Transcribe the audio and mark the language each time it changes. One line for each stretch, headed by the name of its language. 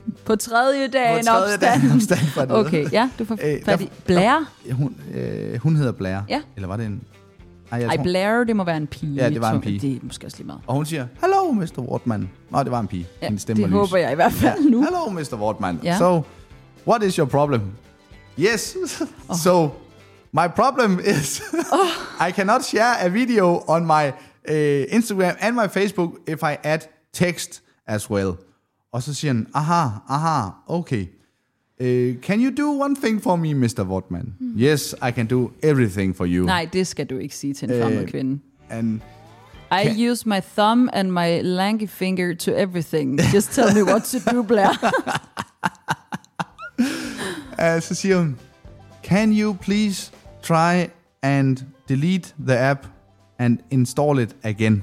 Danish: På tredje dagen opstand. Okay, ja, du får fat i Blair. Hun hedder Blair. Ja. Eller var det en... Ej, Blair, det må være en pige. Ja, det var en pige. Det er måske også lige meget. Og hun siger,
English: hello, Mr. Wortmann.
Danish: Nej, det var en pige. Ja, det håber jeg i hvert fald nu.
English: Hello, Mr. Wortmann. Ja. So, what is your problem? Yes. Oh. So, my problem is, I cannot share a video on my Instagram and my Facebook, if I add text as well.
Danish: Og så siger han, aha, okay.
English: Can you do one thing for me, Mr. Wortmann? Hmm. Yes, I can do everything for you.
Danish: Nej, det skal du ikke sige til en fremmed kvinde.
English: And I use my thumb and my lanky finger to everything. Just tell me what to do, Blair.
Danish: Så siger hun,
English: can you please try and delete the app and install it again?